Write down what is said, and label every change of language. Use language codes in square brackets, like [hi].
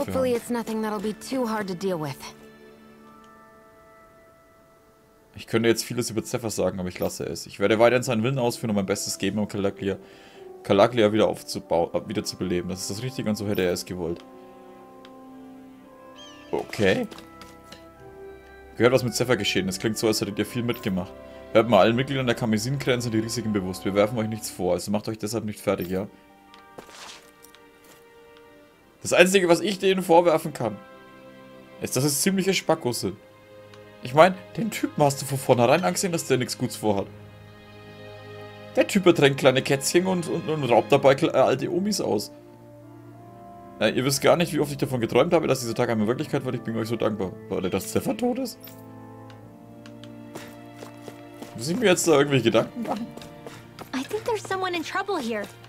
[en] Hopefully it's nothing that'll be too hard to deal with. [de] Ich könnte jetzt vieles über Zephyr sagen, aber ich lasse es. Ich werde weiterhin seinen Willen ausführen und mein Bestes geben, um Caligria wieder wiederzubeleben. Das ist das Richtige und so hätte er es gewollt. Okay. Gehört, was mit Zephyr geschehen ist. Klingt so, als hättet ihr viel mitgemacht. Hört mal, allen Mitgliedern der Kamesin-Grenze die Risiken bewusst. Wir werfen euch nichts vor, also macht euch deshalb nicht fertig, ja? Das Einzige, was ich denen vorwerfen kann, ist, dass es ziemliche Spackos sind. Ich meine, den Typen hast du von vornherein angesehen, dass der nichts Gutes vorhat. Der Typ ertränkt kleine Kätzchen und raubt dabei alte Omis aus. Na, ihr wisst gar nicht, wie oft ich davon geträumt habe, dass dieser Tag eine Wirklichkeit wird. Ich bin euch so dankbar. Warte, dass Zephyr tot ist? Muss ich mir jetzt da irgendwelche Gedanken machen? [en] I think there's someone in trouble here.